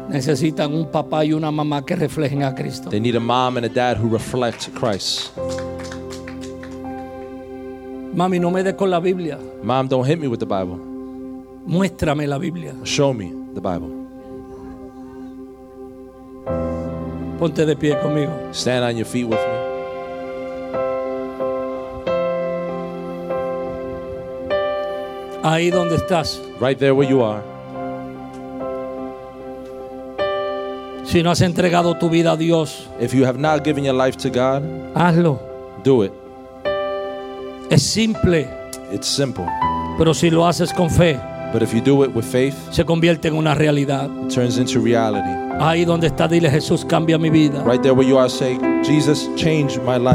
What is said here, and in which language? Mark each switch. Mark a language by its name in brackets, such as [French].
[Spanish] Necesitan un papá y una mamá que reflejen a Cristo. [English] They need a mom and a dad who reflect Christ. [Spanish] Mami, no me des con la Biblia. [English] Mom, don't hit me with the Bible. [Spanish] Muéstrame la Biblia. [English] Show me the Bible. [Spanish] Ponte de pie conmigo. [English] Stand on your feet with me. [Spanish] Ahí donde estás. [English] Right there where you are. [Spanish] Si no has entregado tu vida a Dios. [English] If you have not given your life to God. [Spanish] Hazlo. [English] Do it. [Spanish] Es simple. [English] It's simple. [Spanish] Pero si lo haces con fe. [English] But if you do it with faith. [Spanish] Se convierte en una realidad. [English] It turns into reality. [Spanish] Ahí donde está, dile Jesús, cambia mi vida. [English] Right there where you are, say, Jesus, change my life.